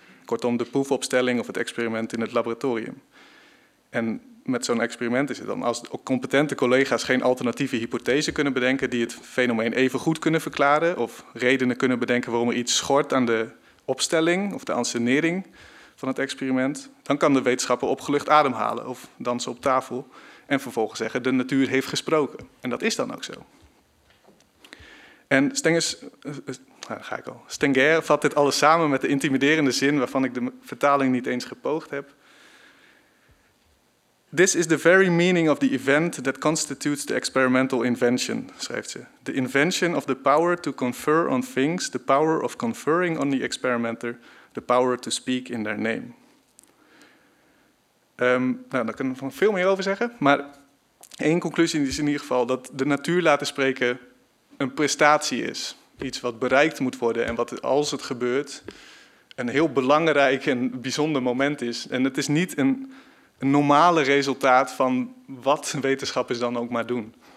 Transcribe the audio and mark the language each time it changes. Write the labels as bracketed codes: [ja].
[nl] Kortom, de proefopstelling of het experiment in het laboratorium. En met zo'n experiment is het dan, als competente collega's geen alternatieve hypothese kunnen bedenken die het fenomeen even goed kunnen verklaren, of redenen kunnen bedenken waarom er iets schort aan de opstelling of de ensenering van het experiment, dan kan de wetenschapper opgelucht ademhalen of dansen op tafel en vervolgens zeggen, de natuur heeft gesproken. En dat is dan ook zo. En Stengers, nou, ga ik al. Stenger vat dit alles samen met de intimiderende zin waarvan ik de vertaling niet eens gepoogd heb. [en] This is the very meaning of the event that constitutes the experimental invention, [nl] schrijft ze. [en] The invention of the power to confer on things, the power of conferring on the experimenter, the power to speak in their name. [nl] Nou, daar kunnen we nog veel meer over zeggen, maar één conclusie is in ieder geval dat de natuur laten spreken een prestatie is. Iets wat bereikt moet worden en wat als het gebeurt een heel belangrijk en bijzonder moment is. En het is niet een normale resultaat van wat wetenschappers dan ook maar doen.